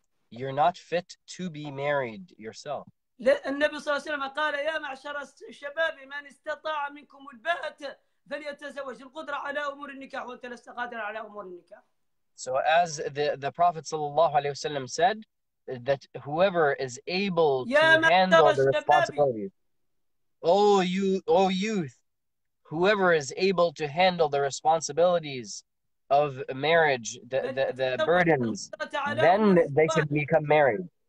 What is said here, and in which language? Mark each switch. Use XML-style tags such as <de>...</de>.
<en>You're not fit to be married yourself.</en> <ar>النبي صلى الله عليه وسلم قال يا معشر الشباب من استطاع منكم الباءة فليتزوج القدرة على أمور النكاح وأنت لست قادر على أمور النكاح.</ar> <en>So as the Prophet sallallahu alaihi wasallam said, that whoever is able to handle the responsibilities, O youth, whoever is able to handle the responsibilities of marriage, the burdens, then they can become married.</en>